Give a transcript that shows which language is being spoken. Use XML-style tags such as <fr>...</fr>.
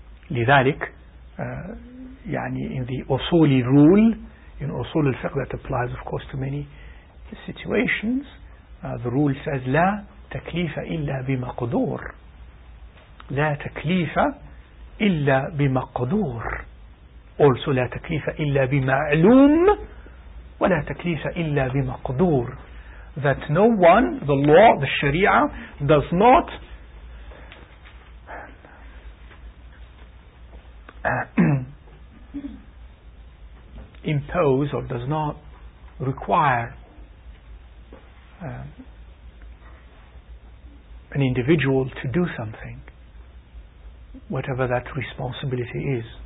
<ar>لذلك يعني</ar> <en>in the usuli rule, in usul al-fiqh, that applies of course to many situations, the rule says</en> <ar>لا تكليف إلا بمقدور. لا تكليف إلا بمقدور.</ar> <en>Also</en> <ar>لا تكليف إلا بمعلوم ولا تكليف إلا بمقدور.</ar> <en>That no one, the law, the sharia, does not impose or does not require an individual to do something, whatever that responsibility is.</en>